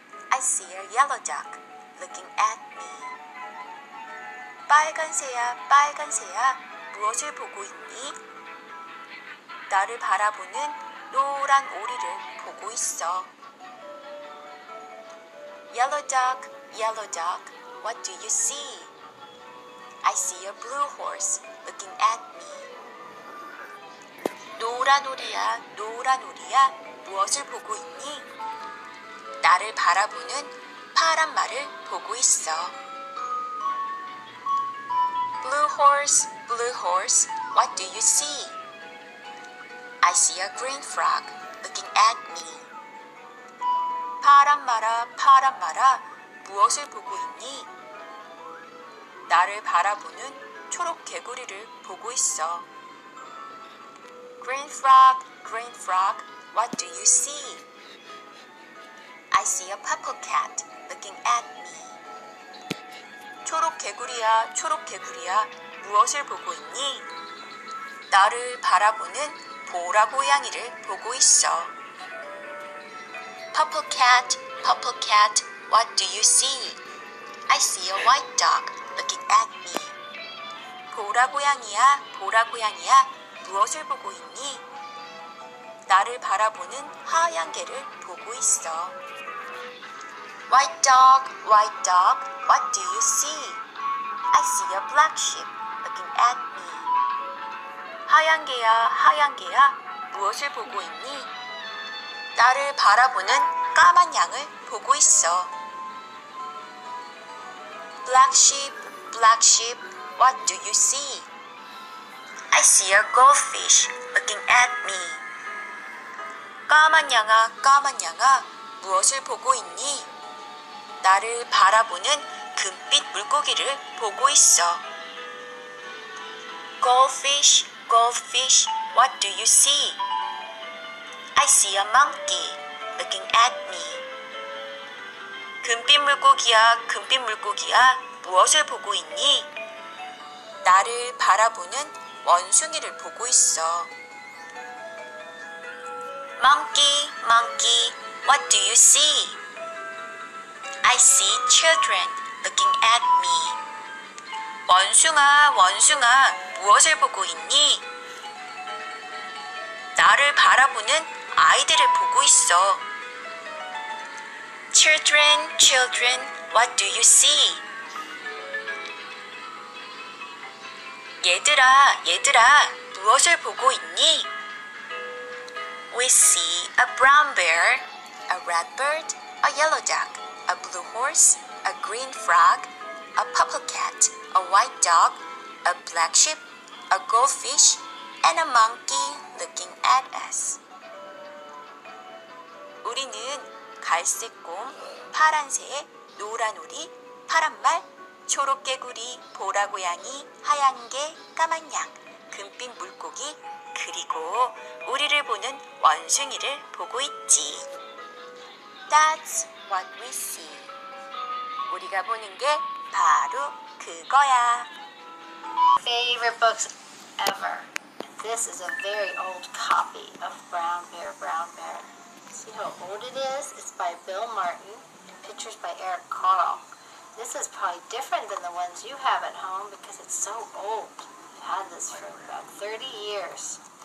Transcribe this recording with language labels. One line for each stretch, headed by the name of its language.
English: I see a yellow duck looking at me.
Korean: 빨간 새야, 무엇을 보고 있니? 나를 바라보는 노란 오리를 보고 있어.
English: Yellow duck, what do you see? I see a blue horse looking at me.
Korean: 노란 오리야, 무엇을 보고 있니? 나를 바라보는 파란 말을 보고 있어.
English: Blue horse, what do you see? I see a green frog looking at me.
Korean: 파란 말아, 무엇을 보고 있니? 나를 바라보는 초록 개구리를 보고 있어.
English: Green frog, what do you see? I see a purple cat looking at me.
Korean: 초록 개구리야, 무엇을 보고 있니? 나를 바라보는 보라 고양이를 보고 있어.
English: Purple cat, what do you see? I see a white dog looking at me.
Korean: 보라 고양이야, 무엇을 보고 있니? 나를 바라보는 하얀 개를 보고 있어.
English: White dog, what do you see? I see a black sheep looking at me.
Korean: 하얀 개야, 무엇을 보고 있니? 나를 바라보는 까만 양을 보고 있어.
English: Black sheep, what do you see? I see a goldfish looking at me.
Korean: 까만 양아, 무엇을 보고 있니? 나를 바라보는 금빛 물고기를 보고 있어.
English: Goldfish, what do you see? I see a monkey looking at me.
Korean: 금빛 물고기야, 무엇을 보고 있니? 나를 바라보는 원숭이를 보고 있어.
English: Monkey, what do you see? I see children looking at me.
Korean: 원숭아, 원숭아, 무엇을 보고 있니? 나를 바라보는 아이들을 보고 있어.
English: Children, children, what do you see?
Korean: 얘들아, 얘들아, 무엇을 보고 있니?
English: We see a brown bear, a red bird, a yellow duck, a blue horse, a green frog, a purple cat, a white dog, a black sheep, a goldfish, and a monkey looking at us.
Korean: 우리는 갈색 곰, 파란 새, 노란 오리, 파란 말, 초록 개구리, 보라 고양이, 하얀 개, 까만 양, 금빛 물고기, 그리고 우리를 보는 원숭이를 보고 있지.
English: That's what we see.
Korean: 우리가 보는 게 바로 그거야.
English: Favorite books ever. This is a very old copy of Brown Bear, Brown Bear. See how old it is? It's by Bill Martin and pictures by Eric Carle. This is probably different than the ones you have at home because it's so old. I've had this for about 30 years.